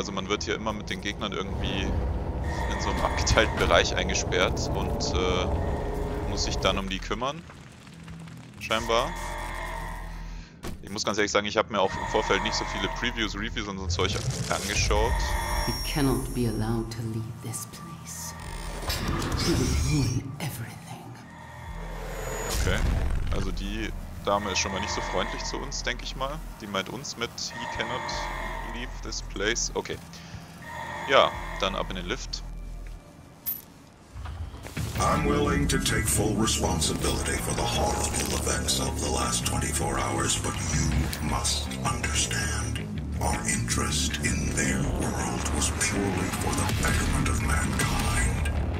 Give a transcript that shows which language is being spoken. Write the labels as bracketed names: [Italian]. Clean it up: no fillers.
[German] Also man wird hier immer mit den Gegnern irgendwie in so einem abgeteilten Bereich eingesperrt und muss sich dann um die kümmern, scheinbar. Ich muss ganz ehrlich sagen, ich habe mir auch im Vorfeld nicht so viele Previews, Reviews und so Zeug angeschaut. [English] It cannot be allowed to leave this place. To ruin everything. [German] Okay, also die... Dame ist schon mal nicht so freundlich zu uns, denke ich mal. Die meint uns mit [English] He cannot leave this place. [German] Okay. Ja, dann ab in den Lift. [English] I'm willing to take full responsibility for the horrible events of the last 24 hours, but you must understand. Our interest in their world was purely for the betterment of mankind.